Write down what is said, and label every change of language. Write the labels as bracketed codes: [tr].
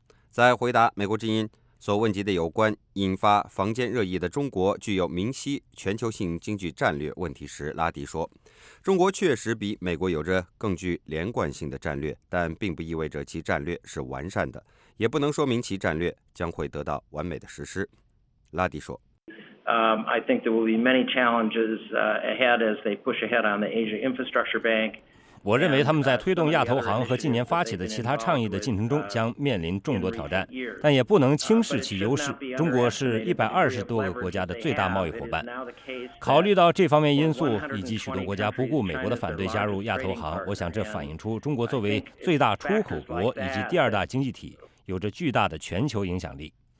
[zh] 在回答美国之音所问及的有关引发坊间热议的中国具有明晰全球性经济战略问题时，拉迪说，中国确实比美国有着更具连贯性的战略，但并不意味着其战略是完善的，也不能说明其战略将会得到完美的实施。拉迪说， [en] I think there will be many challenges ahead as they push ahead on the Asia Infrastructure Bank. [zh] 我认为他们在推动亚投行和近年发起的其他倡议的进程中将面临众多挑战，但也不能轻视其优势。中国是120多个国家的最大贸易伙伴。考虑到这方面因素以及许多国家不顾美国的反对加入亚投行，我想这反映出中国作为最大出口国以及第二大经济体，有着巨大的全球影响力。